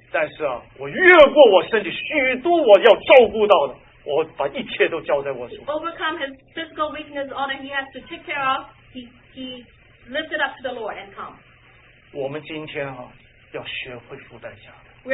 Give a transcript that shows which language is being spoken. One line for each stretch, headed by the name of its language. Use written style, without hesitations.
Chinese: 但是啊我越过我身体许多我要照顾到的 我把一切都交在我手
English: overcome his physical weakness all that he has to take care of He lift it up to the Lord and come.
Chinese: 我们今天要学会付代价。
English: We